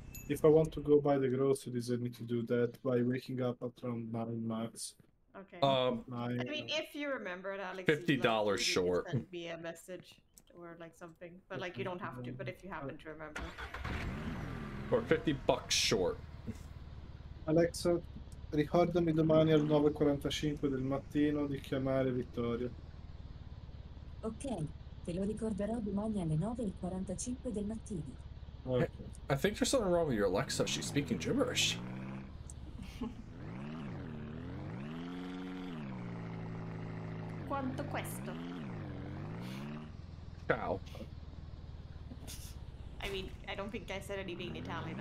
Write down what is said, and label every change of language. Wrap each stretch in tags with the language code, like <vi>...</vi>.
<en>If I want to go buy the groceries, I need to do that by waking up at around 9 max. Okay. I mean, if you remember it, Alex... $50 like, short. Send me a message or like something. But like, you don't have to, but if you happen to remember. Or 50 bucks short.</en> <it>Alexa, ricordami domani al 9.45 del mattino di chiamare Vittorio. Ok, te lo ricorderò domani alle 9.45 del mattino.</it> <en>I think there's something wrong with your Alexa. She's speaking gibberish.</en> <it>Quanto questo? Ciao.</it> <en>I mean, I don't think I said anything in Italian.</en>